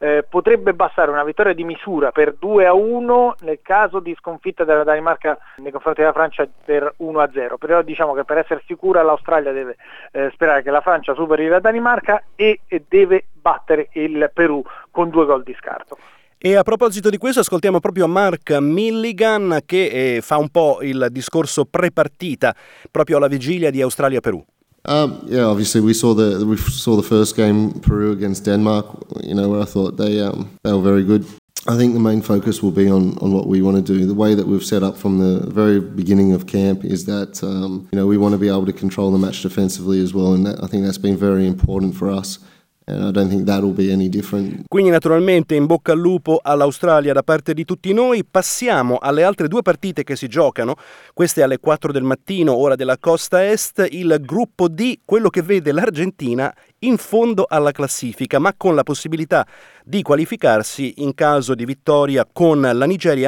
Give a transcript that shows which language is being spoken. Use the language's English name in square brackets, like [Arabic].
[Italian] Potrebbe bastare una vittoria di misura per 2-1 nel caso di sconfitta della Danimarca nei confronti della Francia per 1-0, però diciamo che per essere sicura l'Australia deve sperare che la Francia superi la Danimarca e deve battere il Perù con 2 gol di scarto. E a proposito di questo ascoltiamo proprio Mark Milligan che fa un po' il discorso pre-partita proprio alla vigilia di Australia-Perù. [English] Yeah, obviously we saw the first game Peru against Denmark. You know where I thought they were very good. I think the main focus will be on what we want to do. The way that we've set up from the very beginning of camp is that you know we want to be able to control the match defensively as well, and that, I think that's been very important for us. And I don't think that will be any different. [Italian] Quindi naturalmente in bocca al lupo all'Australia da parte di tutti noi. Passiamo alle altre due partite che si giocano, queste alle 4 del mattino, ora della costa est, il gruppo D, quello che vede l'Argentina in fondo alla classifica, ma con la possibilità di qualificarsi in caso di vittoria con la Nigeria.